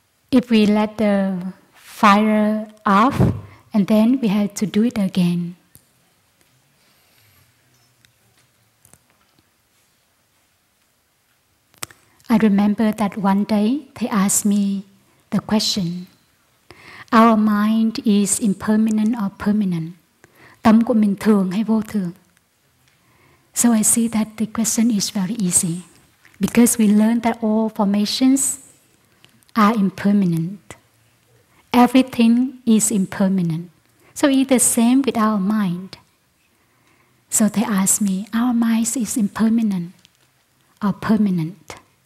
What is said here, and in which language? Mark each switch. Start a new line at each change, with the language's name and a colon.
English: If we let the fire off, and then we have to do it again. I remember that one day they asked me the question, our mind is impermanent or permanent?
Vietnamese: Tâm của mình thường hay vô thường?
English: So I see that the question is very easy because we learn that all formations are impermanent. Everything is impermanent. So it's the same with our mind. So they asked me, our mind is impermanent or permanent?